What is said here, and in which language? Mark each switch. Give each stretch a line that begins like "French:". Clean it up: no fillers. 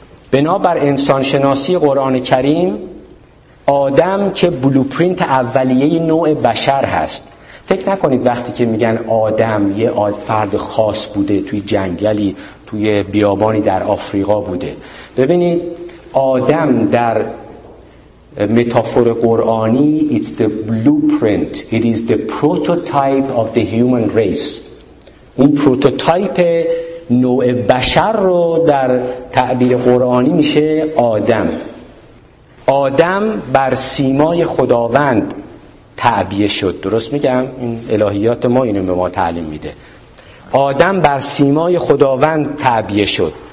Persian: بنابر انسان شناسی قرآن کریم آدم که بلوپرینت اولیه نوع بشر هست. فکر نکنید وقتی که میگن آدم یه فرد خاص بوده توی جنگلی، توی بیابانی در آفریقا بوده. ببینید آدم در متافور قرآنی
English: It's the blueprint. It is the prototype of the human race.
Persian: اون پروتوتایپ نوع بشر رو در تعبیر قرآنی میشه آدم. آدم بر سیمای خداوند تعبیه شد. درست میگم؟ این الهیات ما اینو به ما تعلیم میده. آدم بر سیمای خداوند تعبیه شد.